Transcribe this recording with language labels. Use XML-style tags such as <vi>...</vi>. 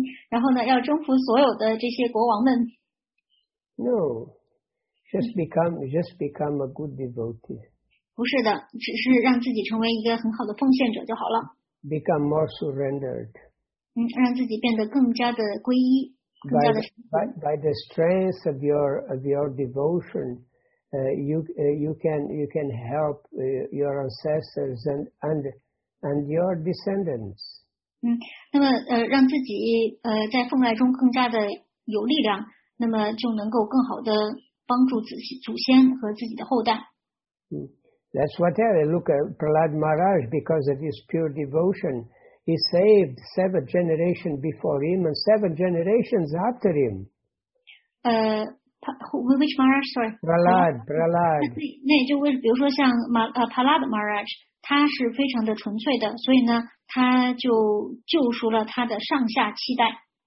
<zh>然后呢，要征服所有的这些国王们。</zh> <en>No, just become a good devotee.</en> <zh>不是的，只是让自己成为一个很好的奉献者就好了。</zh> <en>Become more surrendered.</en> <zh>让自己变得更加的皈依，更加的。</zh> <en>By the strength of your devotion, you can help your ancestors and your descendants.</en> <zh>那么让自己在奉爱中更加的有力量，那么就能够更好的帮助自己祖先和自己的后代。</zh> <en>That's what I mean. Look at Prahlad Maharaj because of his pure devotion. He saved 7 generations before him and 7 generations after him. Which Maharaj? Sorry. Prahlad.</en> <zh>那也就为比如说像 Prahlad Maharaj, 他是非常的纯粹的，所以呢，他就救赎了他的上下七代。</zh>